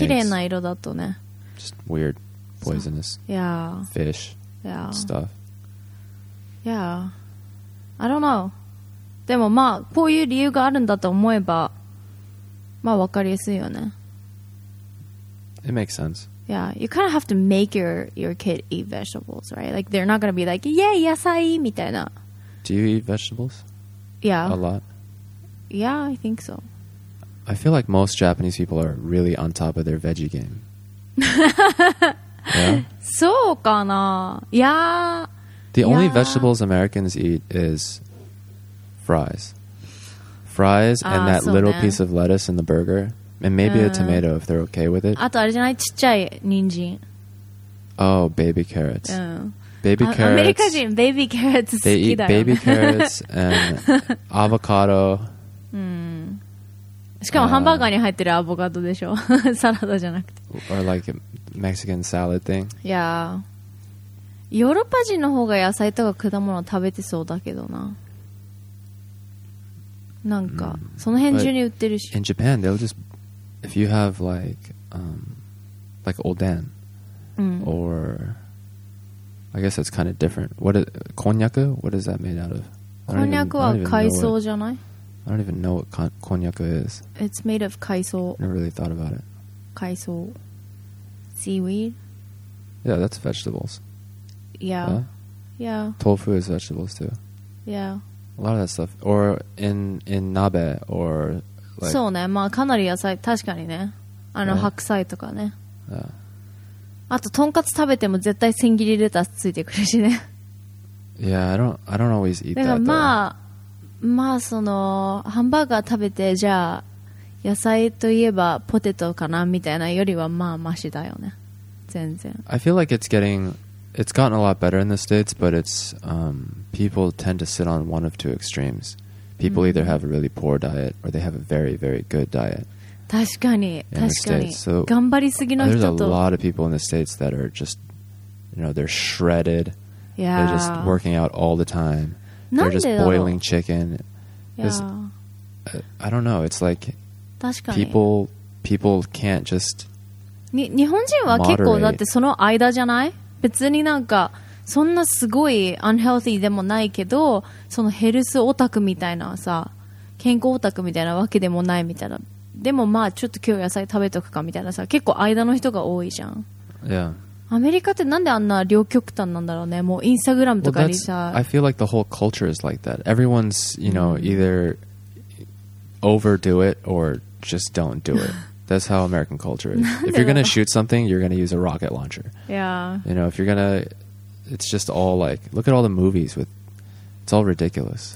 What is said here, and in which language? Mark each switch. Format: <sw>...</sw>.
<ja>綺麗な色だとね。</ja> <en>Just weird, poisonous. Yeah. Fish. Yeah. Stuff. Yeah. I don't know.</en> <ja>でもまあ、こういう理由があるんだと思えば、まあ、わかりやすいよね。</ja> <en>It makes sense. Yeah, you kind of have to make your kid eat vegetables, right? Like, they're not going to be like, yeah,</en> <ja>野菜みたいな。</ja> <en>Do you eat vegetables? Yeah. A lot? Yeah, I think so. I feel like most Japanese people are really on top of their veggie game. Yeah?</en> <ja>そうかな?</ja> <en>Yeah. The only vegetables Americans eat is fries. Fries and that little piece of lettuce in the burger. And maybe a tomato if they're okay with it.</en> <ja>あとあれじゃない?ちっちゃい人参。</ja> <en>Oh, baby carrots. Baby carrots.</en> <ja>アメリカ人、</ja> <en>baby carrots</en> <ja>好きだよ。</ja> <en>They eat baby carrots and avocado.</en> <ja>しかもハンバーガーに入ってるアボカドでしょ。サラダじゃなくて。</ja> <en>Or like a Mexican salad thing. Yeah.</en> <ja>ヨーロッパ人の方が野菜とか果物食べてそうだけどな。なんか、その辺中に売ってるし。</ja> <en>In Japan, they'll just... If you have like oden, or I guess it's kind of different. What is konnyaku? What is that made out of?</en> <ja>Konnyaku は海藻じゃない?</ja> <en>I don't even know what konnyaku is. It's made of 海藻. Never really thought about it.</en> <ja>海藻.Seaweed?</ja> <en>Yeah, that's vegetables. Yeah. Yeah. Tofu is vegetables too. Yeah. A lot of that stuff. Or in nabe or... Like,</en> <ja>そうね、まあかなり野菜、確かにね、白菜とかね、あと、とんかつ食べても絶対千切りレタスついてくるしね。</ja> <en>Yeah, I don't always eat that.</en> <ja>まあ、まあ、その、ハンバーガー食べて、じゃあ、野菜といえばポテトかなみたいなよりは、まあ、マシだよね。全然。</ja> <en>I feel like it's gotten a lot better in the States, but it's, people tend to sit on one of two extremes. People either have a really poor diet or they have a very, very good diet.</en> <ja>確かに、確かに。</ja> <en>So,</en> <ja>頑張りすぎの人と。</ja> <en>There's a lot of people in the States that are just, you know, they're shredded. Yeah. They're just working out all the time.</en> <ja>なんでだろう?</ja> <en>They're just boiling chicken. Yeah. I don't know. It's like</en> <ja>確かに。</ja> <en>people can't just</en> <ja>日本人は結構だってその間じゃない?別になんか。そんなすごいアンヘルティーでもないけど、そのヘルスオタクみたいなさ、健康オタクみたいなわけでもないみたいなでもまあちょっと今日野菜食べとくかみたいなさ、結構間の人が多いじゃん。</ja> <en>Yeah.</en> <ja>アメリカってなんであんな両極端なんだろうね。もうインスタグラムとかにさ、</ja> <en>I feel like the whole culture is like that. Everyone's, you know, either overdo it or just don't do it. That's how American culture is. If you're gonna shoot something, you're gonna use a rocket launcher. Yeah. You know, if you're gonna, it's just all like, look at all the movies with, it's all ridiculous.</en>